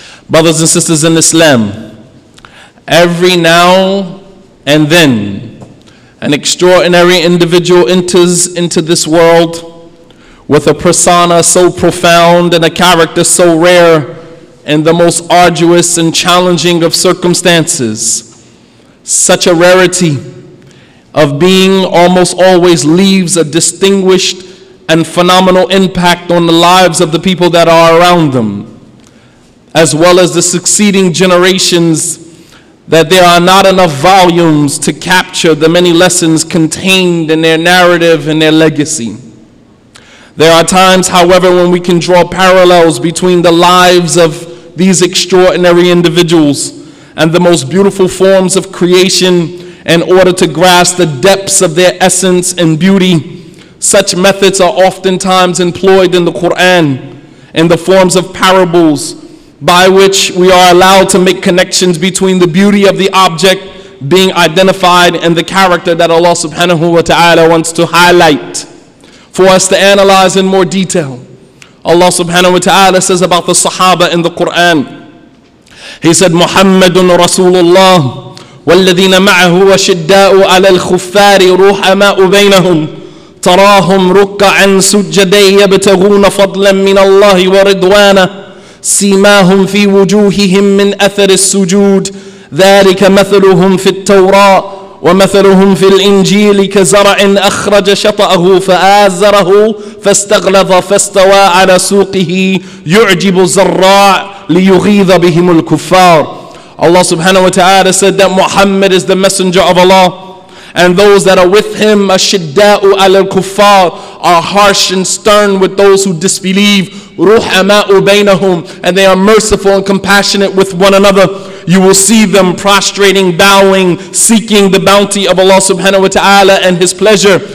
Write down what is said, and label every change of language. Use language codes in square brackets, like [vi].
[en] Brothers and sisters in Islam, every now and then, an extraordinary individual enters into this world with a persona so profound and a character so rare in the most arduous and challenging of circumstances. Such a rarity of being almost always leaves a distinguished and phenomenal impact on the lives of the people that are around them, as well as the succeeding generations, that there are not enough volumes to capture the many lessons contained in their narrative and their legacy. There are times, however, when we can draw parallels between the lives of these extraordinary individuals and the most beautiful forms of creation in order to grasp the depths of their essence and beauty. Such methods are oftentimes employed in the Quran in the forms of parables, by which we are allowed to make connections between the beauty of the object being identified and the character that Allah subhanahu wa ta'ala wants to highlight for us to analyze in more detail. Allah subhanahu wa ta'ala says about the Sahaba in the Quran. He said, [ar] Muhammadun Rasulullah, والذين معه وشداء على الخفار رحماء بينهم تراهم ركعا سجدا يبتغون فضلا من الله ورضوانا سيماهم في وجوههم من أثر السجود ذلك مثلهم في التوراة ومثلهم في الإنجيل كزرع أخرج شطأه فآزره فاستغلظ فاستوى على سوقه يعجب الزراع ليغيظ بهم الكفار. [en] Allah subhanahu wa ta'ala said that Muhammad is the messenger of Allah, and those that are with him, ashidda'u ala kuffar, are harsh and stern with those who disbelieve, ruhama'u bainahum, and they are merciful and compassionate with one another. You will see them prostrating, bowing, seeking the bounty of Allah subhanahu wa ta'ala and his pleasure.